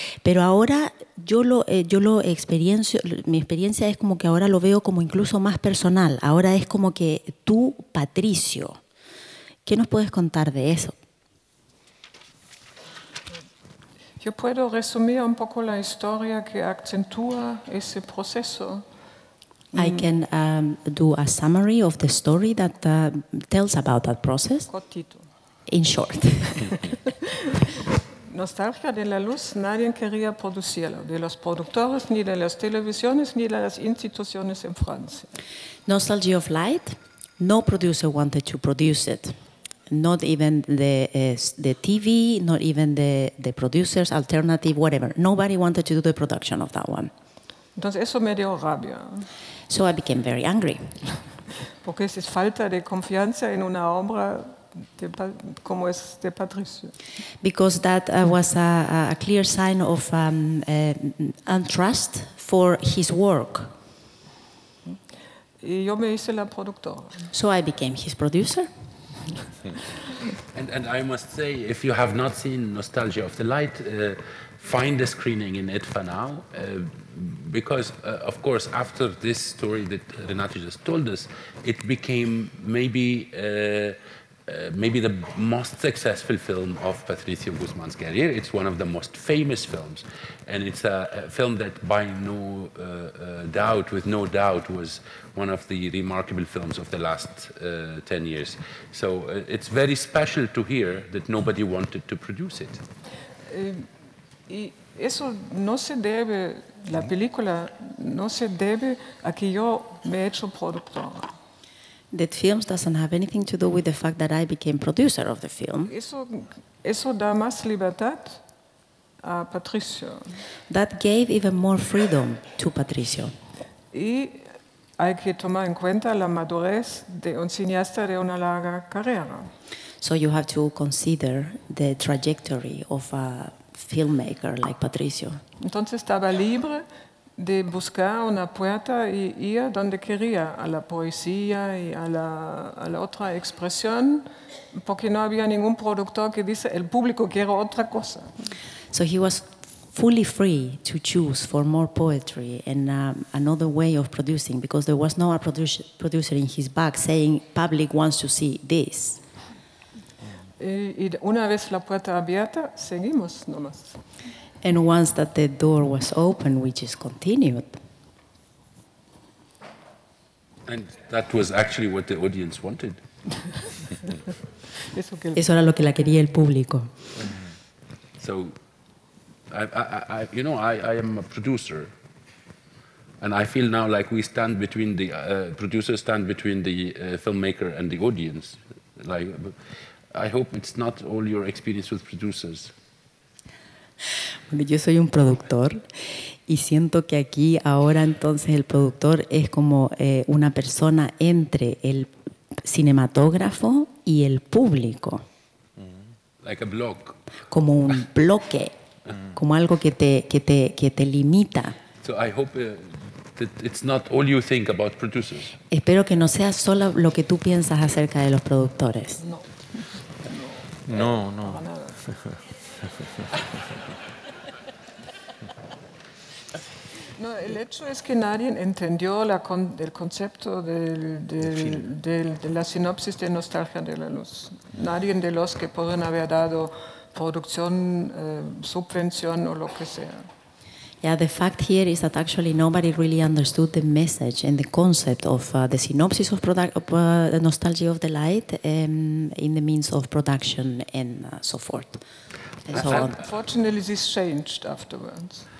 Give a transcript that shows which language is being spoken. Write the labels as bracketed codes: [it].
[es] Pero ahora yo lo experiencio, mi experiencia es como que ahora lo veo como incluso más personal. Ahora es como que tú, Patricio, ¿qué nos puedes contar de eso? Yo puedo resumir un poco la historia que acentúa ese proceso. [en] I can do a summary of the story that tells about that process. [es] Cortito. [en] In short. [es] Nostalgia de la luz, nadie quería producirlo, de los productores, ni de las televisiones, ni de las instituciones en Francia. [en] Nostalgia of light, no producer wanted to produce it. Not even the TV, not even the producers, alternative, whatever. Nobody wanted to do the production of that one. [es] Entonces eso me dio rabia. [en] So I became very angry. [es] Porque es falta de confianza en una obra de, como es de Patricio. [en] Because that was a clear sign of untrust for his work. [es] Y yo me hice la productora. [en] So I became his producer. And I must say, if you have not seen Nostalgia of the Light, find a screening in ITFA now. Because, of course, after this story that Renato just told us, it became maybe the most successful film of Patricio Guzmán's career. It's one of the most famous films. And it's a film that, by no doubt, with no doubt, was one of the remarkable films of the last 10 years. So it's very special to hear that nobody wanted to produce it. [es] Eso no se debe, la película no se debe a que yo me he hecho productora. [en] That film doesn't have anything to do with the fact that I became producer of the film. [es] Eso da más libertad a Patricio. [en] That gave even more freedom to Patricio. [es] Y hay que tomar en cuenta la madurez de un cineasta de una larga carrera. [en] So you have to consider the trajectory of a filmmaker like Patricio. [es] Entonces estaba libre de buscar una puerta y ir donde quería, a la poesía y a la otra expresión, porque no había ningún productor que dice el público quiere otra cosa. [en] So he was fully free to choose for more poetry and another way of producing, because there was no producer in his back saying public wants to see this. [es] Y una vez la puerta abierta, seguimos nomás. [en] And once that the door was open, we just continued. And that was actually what the audience wanted. [es] Eso era lo que la quería el público. [en] So, I, you know, I am a producer. And I feel now like we stand between the producers stand between the filmmaker and the audience. Like, I hope it's not all your experience with producers. [es] Bueno, yo soy un productor y siento que aquí ahora entonces el productor es como una persona entre el cinematógrafo y el público. [en] Like a block. [es] Como un bloque, como algo que te limita. [en] So I hope. It's not all you think about producers. [es] Espero que no sea solo lo que tú piensas acerca de los productores. No. No, no. No, el hecho es que nadie entendió el concepto de la sinopsis de Nostalgia de la Luz. Nadie de los que pueden haber dado producción, subvención o lo que sea. [en] Yeah, the fact here is that actually nobody really understood the message and the concept of the synopsis of the Nostalgia of the Light in the means of production and so forth. And so on. Unfortunately, this changed afterwards.